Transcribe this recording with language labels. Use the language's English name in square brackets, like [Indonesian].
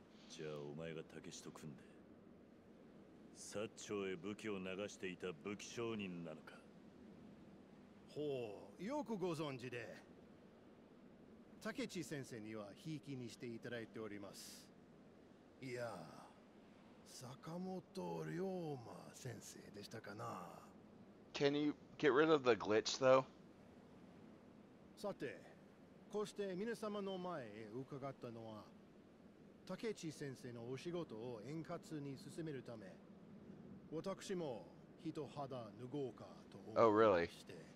[Japanese] じゃあお前がたけしと組んで薩長へ武器を流していた武器商人なのか。ほう、よくご存知で。たけち先生にはひいきにしていただいております。いや、坂本龍馬先生でしたかな。 [English] Can you get rid of the glitch though? [Japanese] さて、こうして皆様の前へ伺ったのは竹内先生のお仕事を円滑に進めるため、私も人肌脱ごうかと思って。 [English] Oh, really? [Japanese] して。